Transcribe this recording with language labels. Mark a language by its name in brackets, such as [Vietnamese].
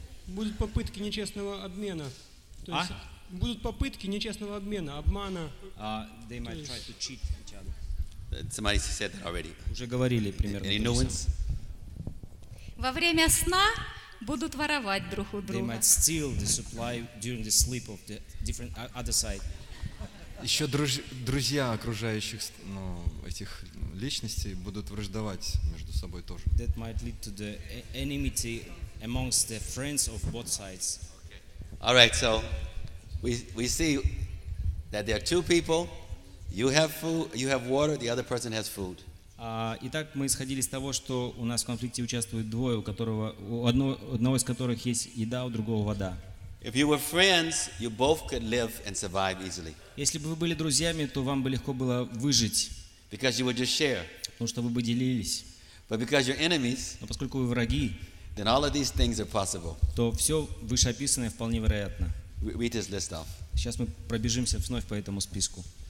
[Russian] Будут попытки нечестного обмена. То есть... Будут попытки нечестного обмена, обмана. [English] They might try to cheat each other. Somebody said that already. [Russian] Уже говорили примерно. [English] Any new ones? [Russian] Во время сна будут воровать друг у друга. [English] They might steal the supply during the sleep of the different other side. [Russian] Еще друзья окружающих, ну, этих личностей будут враждовать между собой тоже. [English] That might lead to the enmity amongst the friends of both sides. Okay. All right, so. We see that there are two people. You have food. You have water. The other person has food. [Russian] Итак, мы исходили из того, что у нас в конфликте участвуют двое, у которого одного из которых есть еда, у другого вода. [English] If you were friends, you both could live and survive easily. [Russian] Если бы вы были друзьями, то вам бы легко было выжить. [English] Because you would just share. [Russian] Потому что вы бы делились. [English] But because you're enemies. [Russian] Но поскольку вы враги. [English] Then all of these things are possible. [Russian] То все вышеописанное вполне вероятно. [English] Read this list off. [Russian] Сейчас мы пробежимся вновь по этому списку.